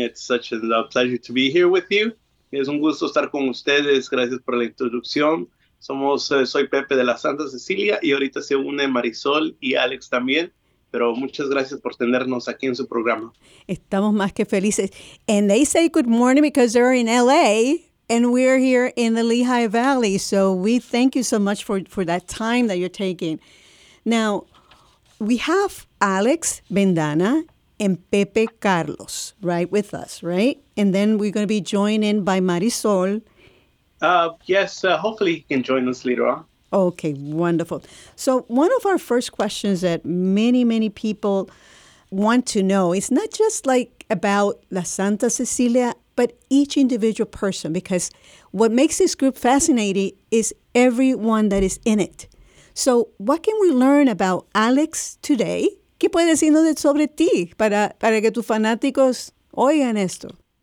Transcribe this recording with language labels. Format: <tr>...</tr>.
<en>It's such a pleasure to be here with you.</en> <es>Es un gusto estar con ustedes. Gracias por la introducción. Soy Pepe de La Santa Cecilia y ahorita se une Marisol y Alex también. Pero muchas gracias por tenernos aquí en su programa. Estamos más que felices.</es> <en>And they say good morning because they're in L.A. and we're here in the Lehigh Valley. So we thank you so much for that time that you're taking. Now, we have Alex Bendana and Pepe Carlos right with us, right? And then we're going to be joined in by Marisol. Hopefully you can join us later on. Okay, wonderful. So one of our first questions that many, many people want to know is not just like about La Santa Cecilia, but each individual person, because what makes this group fascinating is everyone that is in it. So what can we learn about Alex today?</en> <es>¿Qué puedes decirnos sobre ti para que tus fanáticos oigan esto?</es>